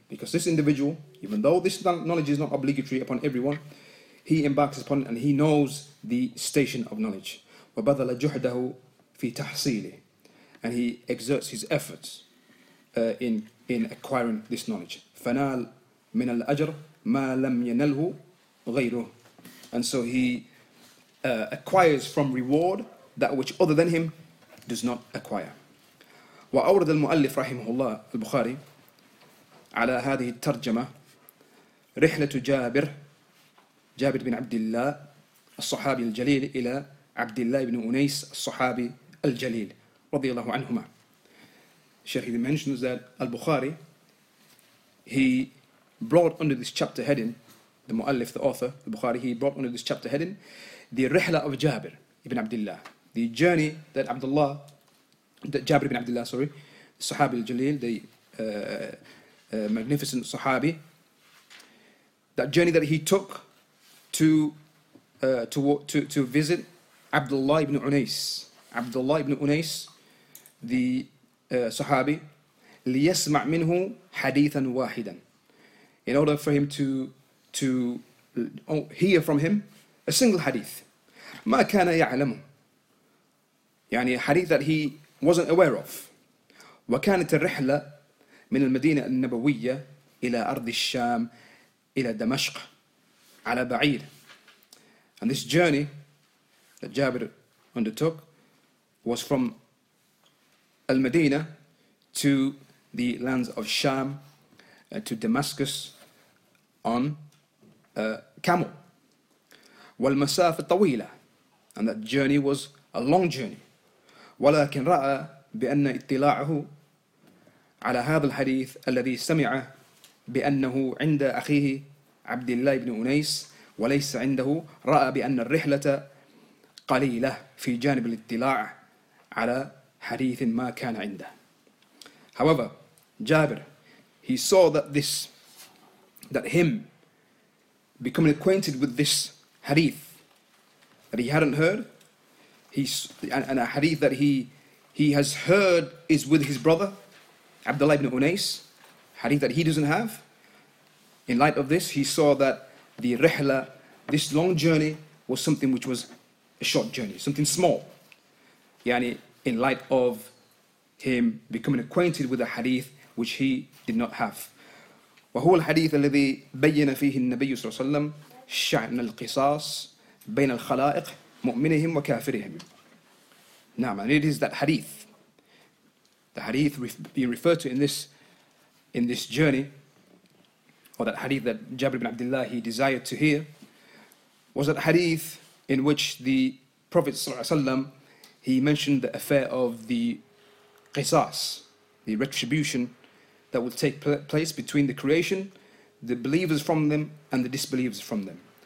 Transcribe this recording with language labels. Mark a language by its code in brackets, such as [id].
[en] Because this individual, even though this knowledge is not obligatory upon everyone, he embarks upon it and he knows the station of knowledge. [ar] وبذل جهده في تحصيله. [en] And he exerts his efforts in acquiring this knowledge. [ar] فنال من الأجر ما لم ينله غيره. [en] And so he acquires from reward that which other than him does not acquire. [ar] وأورد المؤلف رحمه الله البخاري على هذه الترجمة رحلة جابر جابر بن عبد الله الصحابي الجليل إلى عبد الله بن أنيس الصحابي الجليل رضي الله عهما. [en] Sheikh mentions that Al-Bukhari, he brought under this chapter heading, the Mu'allif, the author, Al-Bukhari, he brought under this chapter heading, the Rihla of Jabir ibn Abdullah, the journey that Abdullah, that Jabir ibn Abdullah, sorry, Sahabi al-Jalil, the magnificent Sahabi, that journey that he took to visit Abdullah ibn Unais, the Sahabi, [ar] ليسمع منه حديثا واحدا, [en] in order for him to hear from him a single hadith. [ar] ما كان يعلم, يعني [en] a hadith that he wasn't aware of. [ar] وكانت الرحلة من المدينة النبوية إلى أرض الشام إلى دمشق على بعير. [en] And this journey that Jabir undertook was from Al-Madinah to the lands of Sham, to Damascus on camel. [ar] والمسافة طويلة, [en] and that journey was a long journey. [ar] ولكن رأى بأن اطلاعه على هذا الحديث الذي سمعه بأنه عند أخيه عبد الله بن أنيس وليس عنده رأى بأن الرحلة قليلة في جانب الاطلاع على حديث ما كان عنده. [en] However, Jabir, he saw that this, that him becoming acquainted with this hadith that he hadn't heard, and a hadith that he has heard is with his brother, Abdullah ibn Unais, hadith that he doesn't have. In light of this, he saw that the rihla, this long journey, was something which was a short journey, something small. Yani, in light of him becoming acquainted with a hadith which he did not have. [ar] وهو الحديث الذي بين فيه النبي صلى الله عليه وسلم شأن القصاص بين الخلائق مؤمنهم وكافرهم. نعم, [en] and it is that hadith. The hadith being referred to in this journey, or that hadith that Jabir ibn Abdullah he desired to hear, was that hadith in which the Prophet he mentioned the affair of the qisas, the retribution that would take place between the creation, the believers from them, and the disbelievers from them.